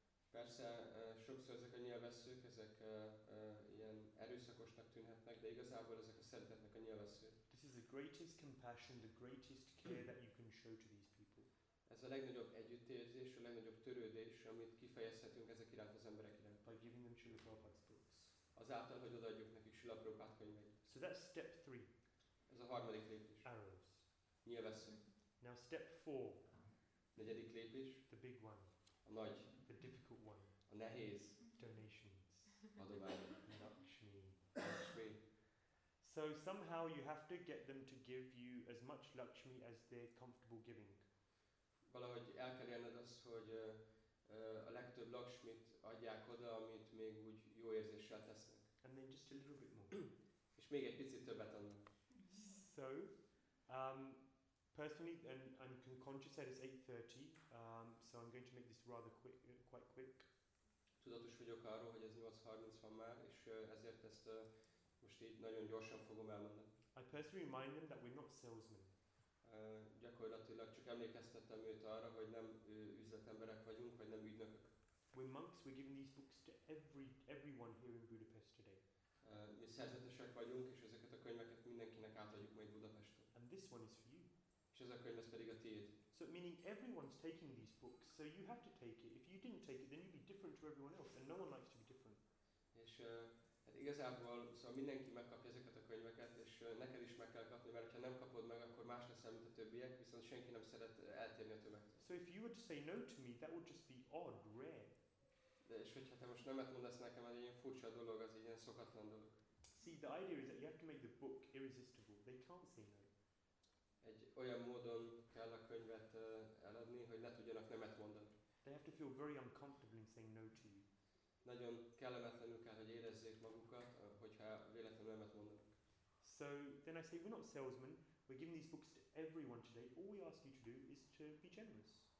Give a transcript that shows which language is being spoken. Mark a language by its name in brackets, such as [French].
[Hungarian] Persze, sokszor ezek a nyilvesszők, ezek ilyen erőszakosnak tűnhetnek, de igazából ezek a szeretetnek a nyilvessző. [English] This is the greatest compassion, the greatest care that you can show to these people. [Hungarian] Ez a legnagyobb együttérzés, a legnagyobb törődés, amit kifejezhetünk ezek iránt az emberek iránt. [English] By giving them Srila Prabhupada's books. [Hungarian] Azáltal, hogy odaadjuk nekik Srila Prabhupada könyveit. [English] So that's step three. [Hungarian] Ez a harmadik lépés. [English] Arrows. [Hungarian] Mi a veszély? [English] Now step four. [Hungarian] Negyedik lépés. [English] The big one. [Hungarian] A nagy. [English] The difficult one. [Hungarian] A nehéz. [English] Donations. [Hungarian] Adományok. [English] Lakshmi. [Hungarian] Lakshmi. [English] So somehow you have to get them to give you as much Lakshmi as they're comfortable giving. [Hungarian] Valahogy el kell érned azt, hogy a legtöbb Lakshmit adják oda, amit még úgy jó érzéssel tesznek. [English] And then just a little bit more. [Hungarian] És még egy picit többet adnak. [English] So, personally, and I'm conscious that it's 8:30, so I'm going to make this rather quick, quite quick. [Hungarian] Tudatos vagyok arról, hogy ez 8:30 van már, és ezért ezt most így nagyon gyorsan fogom elmondani. [English] I personally remind them that we're not salesmen. [Hungarian] Gyakorlatilag csak emlékeztettem őt arra, hogy nem üzletemberek vagyunk, vagy nem ügynökök. [English] We're monks, we're giving these books to everyone here in Budapest today. [Hungarian] Mi szerzetesek vagyunk, és ezeket a könyveket mindenkinek átadjuk majd Budapesten. [English] And this one is for you. [Hungarian] És ez a könyv, ez pedig a tiéd. [English] So meaning everyone's taking these books, so you have to take it. If you didn't take it, then you'd be different to everyone else, and no one likes to be different. [Hungarian] És hát igazából, szóval mindenki megkapja ezeket a könyveket, és neked is meg kell kapni, mert ha nem kapod meg, akkor más leszel, mint a többiek, viszont senki nem szeret eltérni a tömegtől. [English] So if you were to say no to me, that would just be odd, rare. [Hungarian] De és hogyha te most nemet mondasz nekem, ez egy ilyen furcsa dolog, az egy ilyen szokatlan dolog. [English] See, the idea is that you have to make the book irresistible. They can't say no. [Hungarian] Egy olyan módon kell a könyvet eladni, hogy ne tudjanak nemet mondani. [English] They have to feel very uncomfortable in saying no to you. [Hungarian] Nagyon kellemetlenül kell, hogy érezzék magukat, hogyha véletlenül nemet mondanak. [English] So then I say, we're not salesmen. We're giving these books to everyone today. All we ask you to do is to be generous.